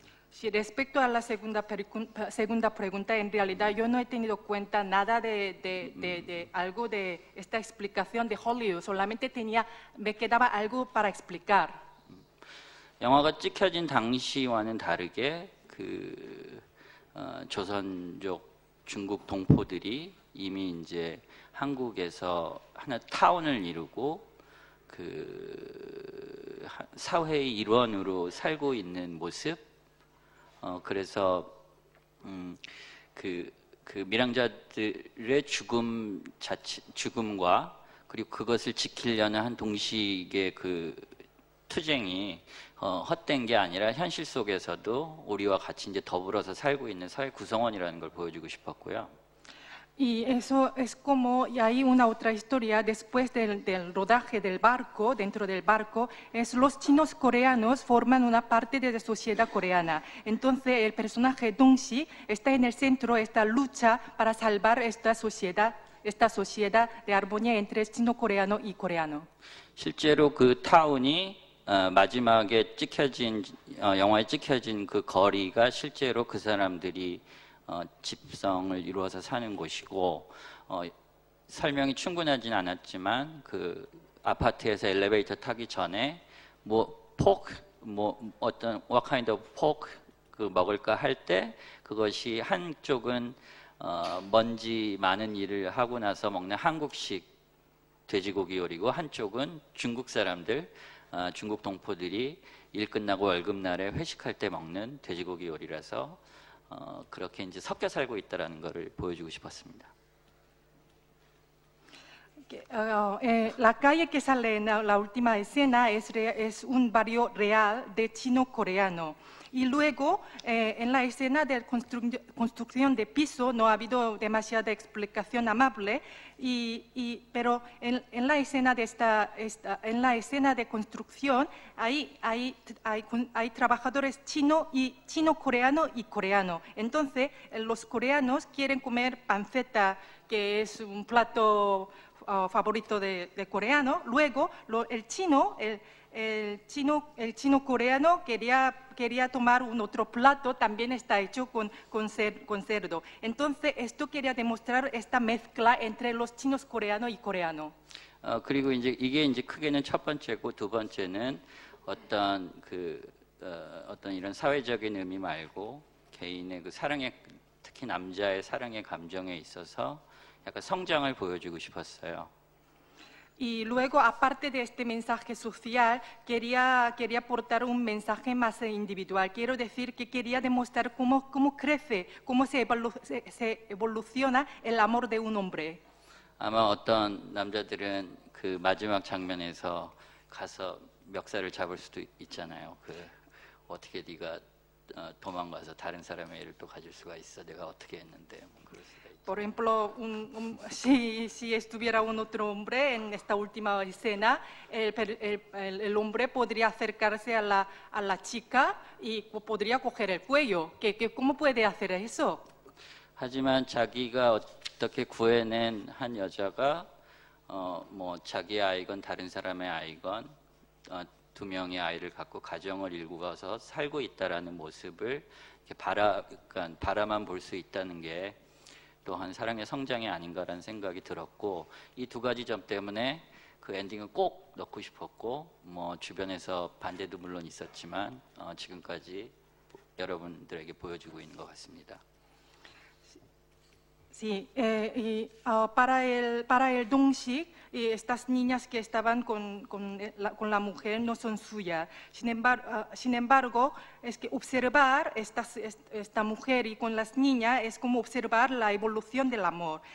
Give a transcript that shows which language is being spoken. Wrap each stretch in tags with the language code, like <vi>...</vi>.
<es>Sí, respecto a la segunda pregunta, en realidad yo no he tenido cuenta nada de algo de esta explicación de Hollywood. Solamente tenía, me quedaba algo para explicar.</es> <ko>영화가 찍혀진 당시와는 다르게 그 조선족 중국 동포들이 이미 이제 한국에서 하나 타운을 이루고 그 사회의 일원으로 살고 있는 모습, 그래서 그 밀양자들의 죽음과 그리고 그것을 지키려는 한 동시에 그 투쟁이 헛된 게 아니라 현실 속에서도 우리와 같이 이제 더불어서 살고 있는 사회 구성원이라는 걸 보여주고 싶었고요.</ko> <es>Y eso es como, y hay una otra historia después del rodaje del barco, dentro del barco, es los chinos coreanos forman una parte de la sociedad coreana. Entonces el personaje Dong-si está en el centro de esta lucha para salvar esta sociedad de armonía entre chino-coreano y coreano.</es> <ko>실제로 그 타운이 마지막에 찍혀진, 영화에 찍혀진 그 거리가 실제로 그 사람들이 집성을 이루어서 사는 곳이고 설명이 충분하진 않았지만 그 아파트에서 엘리베이터 타기 전에 뭐 pork 뭐 어떤</ko> <en>what kind of pork</en> <ko>그 먹을까 할 때 그것이 한쪽은 먼지 많은 일을 하고 나서 먹는 한국식 돼지고기 요리고 한쪽은 중국 사람들 중국 동포들이 일 끝나고 월급 날에 회식할 때 먹는 돼지고기 요리라서 그렇게 이제 섞여 살고 있다라는 것을 보여주고 싶었습니다.</ko> <es>La calle que sale en la última escena es un barrio real de chino coreano. Y luego en la escena de construcción de piso no ha habido demasiada explicación amable. Pero en la escena de esta escena de construcción hay trabajadores chino coreano y coreano. Entonces los coreanos quieren comer panceta, que es un plato favorito de coreano. Luego el chino coreano quería tomar un otro plato, también está hecho con cerdo. Entonces esto quería demostrar esta mezcla entre los chinos coreano y coreano.</es> <ko>그리고 이제 이게 이제 크게는 첫 번째고 두 번째는 어떤 그 어떤 이런 사회적인 의미 말고 개인의 그 사랑의 특히 남자의 사랑의 감정에 있어서 약간 성장을 보여주고 싶었어요.</ko> <es>Y luego, aparte de este mensaje social, quería aportar un mensaje más individual. Quiero decir que quería demostrar cómo crece, cómo se evoluciona el amor de un hombre.</es> <ko>아마 어떤 남자들은 그 마지막 장면에서 가서 멱살을 잡을 수도 있잖아요. 그 어떻게 네가 도망가서 다른 사람의 일을 또 가질 수가 있어? 내가 어떻게 했는데?</ko> <es>Por ejemplo, si estuviera un otro hombre en esta última escena, el hombre podría acercarse a la chica y podría coger el cuello. ¿Cómo puede hacer eso?</es> <ko>하지만 자기가 어떻게 구해낸 한 여자가 뭐 자기 아이건 다른 사람의 아이건 두 명의 아이를 갖고 가정을 일구어서 살고 있다라는 모습을 이렇게 바라만 볼 수 있다는 게 또한 사랑의 성장이 아닌가라는 생각이 들었고 이 두 가지 점 때문에 그 엔딩은 꼭 넣고 싶었고 뭐 주변에서 반대도 물론 있었지만 지금까지 여러분들에게 보여주고 있는 것 같습니다.</ko> <es>Sí, y para el Dongsik, estas niñas que estaban con la mujer no son suyas. Sin embargo, es que observar esta mujer y con las niñas es como observar la evolución del amor.</es>